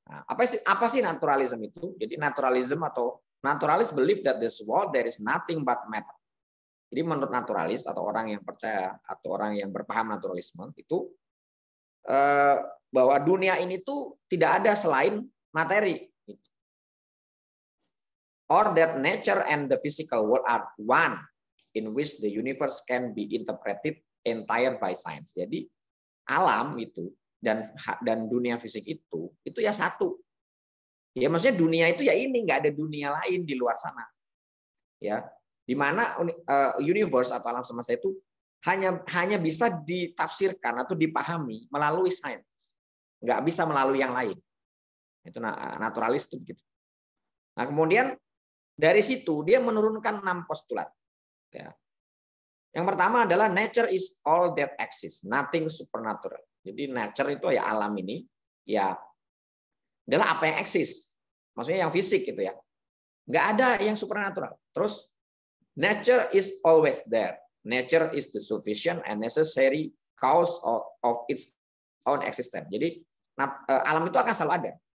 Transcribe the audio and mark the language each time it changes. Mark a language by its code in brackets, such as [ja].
[id] Nah, apa sih naturalisme itu? Jadi naturalisme atau [en] naturalist believe that this world there is nothing but matter. [id] Jadi menurut naturalis atau orang yang percaya atau orang yang berpaham naturalisme itu bahwa dunia ini tuh tidak ada selain materi. [en] Or that nature and the physical world are one in which the universe can be interpreted entire by science. [id] Jadi alam itu dan dunia fisik itu ya satu. Ya maksudnya dunia itu ya ini, nggak ada dunia lain di luar sana. Ya, di mana universe atau alam semesta itu hanya bisa ditafsirkan atau dipahami melalui sains. Nggak bisa melalui yang lain. Itu naturalis itu begitu. Nah, kemudian dari situ dia menurunkan 6 postulat. Ya. Yang pertama adalah [en] nature is all that exists, nothing supernatural. [id] Jadi nature itu ya alam ini ya adalah apa yang eksis. Maksudnya yang fisik gitu ya. Enggak ada yang supernatural. Terus [en] nature is always there. Nature is the sufficient and necessary cause of its own existence. [id] Jadi alam itu akan selalu ada.